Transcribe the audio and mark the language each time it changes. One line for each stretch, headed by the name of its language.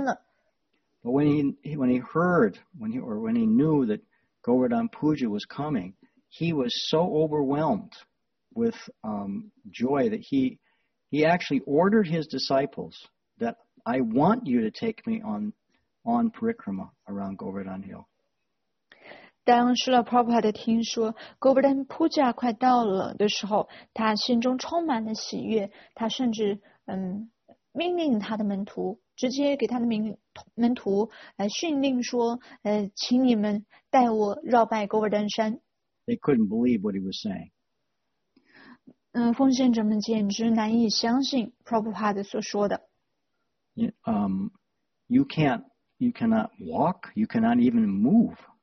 English: when he knew that Govardhan Puja was coming, he was so overwhelmed with joy that he actually ordered his disciples that I want you to take me on parikrama around Govardhan Hill.
Chinese: 当Srila Prabhupada听说Govardhan Puja快到了的时候，他心中充满了喜悦，他甚至命令他的门徒，直接给他的门徒训令说，请你们带我绕拜Govardhan山。
English: They couldn't believe what he was saying.
Chinese: 奉献者们简直难以相信Prabhupada所说的。
English: You cannot walk, you cannot even move.